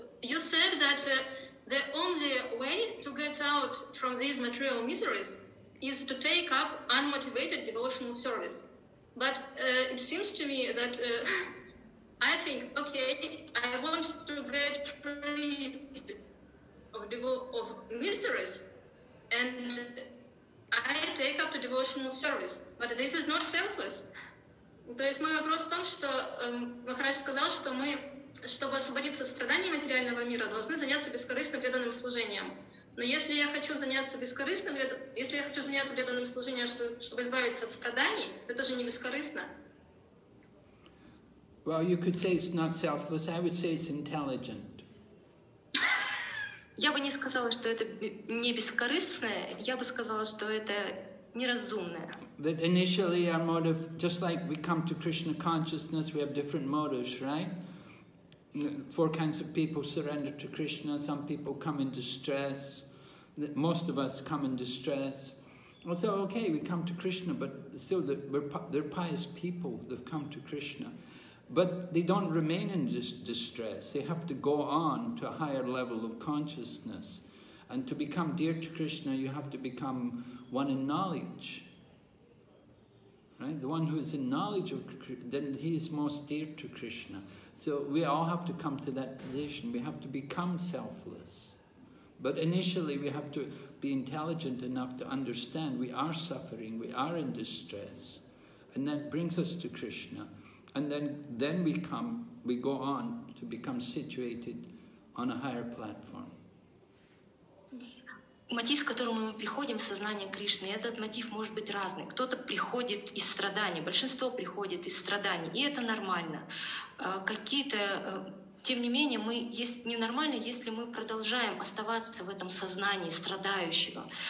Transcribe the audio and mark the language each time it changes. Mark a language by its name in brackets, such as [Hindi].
[English] You said that the only way to get out from these material miseries is to take up unmotivated devotional service. But it seems to me that I think, okay, I want to get rid of miseries and I take up the devotional service. But this is not selfless. [Russian] То есть мой вопрос в том, что Махарадж сказал, что мы, чтобы освободиться от страданий материального мира, должны заняться бескорыстным преданным служением. Но если я хочу заняться бескорыстным, если я хочу заняться преданным служением, чтобы избавиться от страданий, это же не бескорыстно. [English] Well, you could say it's not selfless. I would say it's intelligent. [Russian] Я бы не сказала, что это не бескорыстное. Я бы сказала, что это неразумное. [English] That initially our motive, just like we come to Krishna consciousness, we have different motives, right? Four kinds of people surrender to Krishna. Some people come in distress. Most of us come in distress. Well, so, okay, we come to Krishna, but still they're pious people. They've come to Krishna. But they don't remain in distress. They have to go on to a higher level of consciousness. And to become dear to Krishna, you have to become one in knowledge. Right? The one who is in knowledge of Krishna, then he is most dear to Krishna. So we all have to come to that position. We have to become selfless. But initially we have to be intelligent enough to understand we are suffering, we are in distress. And that brings us to Krishna. And then we go on to become situated on a higher platform. [Russian] Мотив, к которому мы приходим, сознание Кришны, этот мотив может быть разный. Кто-то приходит из страданий, большинство приходит из страданий, и это нормально. Какие-то, тем не менее, мы есть ненормально, если мы продолжаем оставаться в этом сознании страдающего.